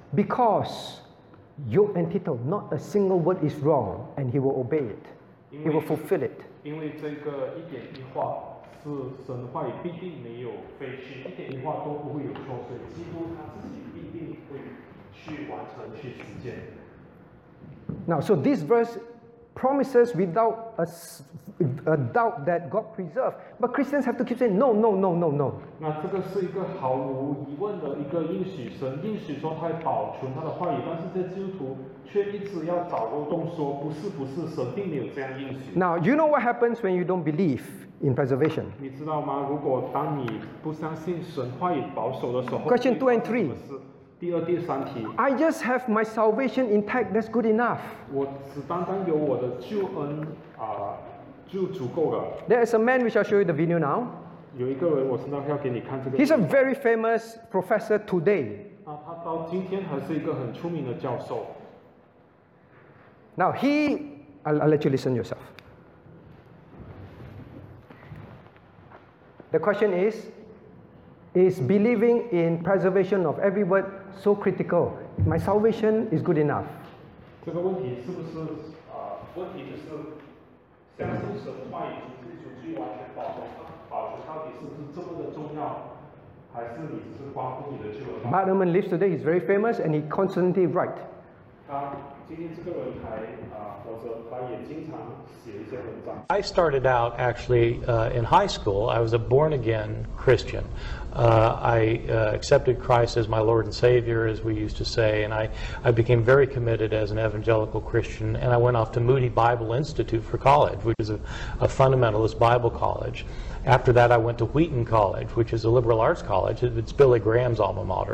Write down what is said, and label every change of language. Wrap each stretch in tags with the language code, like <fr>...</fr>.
<en>Because Yod and Tittle, not a single word is wrong, and he will obey it. He will fulfill it.</en> <zh>因为这个一点一画是神的话语，必定没有废弃，一点一画都不会有错，所以基督他自己必定会去完成去实践。</zh> <en>Now, so this verse promises without a doubt that God preserved, but Christians have to keep saying no.</en> <zh>那这个是一个毫无疑问的一个应许，神应许说他保存他的话语，但是这基督徒。却一直要找漏洞说不是神并没有这样应许。</zh> <en>Now you know what happens when you don't believe in preservation.</en> <zh>你知道吗？如果当你不相信神话语保守的时候</zh> <en>，Question two and three.</en> <zh>第二、第三题。</zh> <en>I just have my salvation intact. That's good enough.</en> <zh>我只单单有我的救恩就足够了。</zh> <en>There is a man which I'll show you the video now.</en> <zh>有一个人，我现在要给你看这个。</zh> <en>He's a very famous professor today.</en> <zh>他到今天还是一个很出名的教授。</zh> <en>Now he, I'll let you listen yourself. The question is believing in preservation of every word so critical? My salvation is good enough.</en> <zh>这个问题是不是问题就是相信神的话语就是一种最完全保存保存到底是不是这么的重要，还是你只是关乎你的救恩。</zh> <en>Bartleman lives today, he's very famous and he constantly write.</en> <zh>他今天这个人还活着，他也经常写一些文章。</zh> <en>I started out actually in high school, I was a born again Christian. I accepted Christ as my Lord and Savior, as we used to say, and I became very committed as an evangelical Christian, and I went off to Moody Bible Institute for college, which is a fundamentalist Bible college. After that, I went to Wheaton College, which is a liberal arts college. It's Billy Graham's alma mater.</en>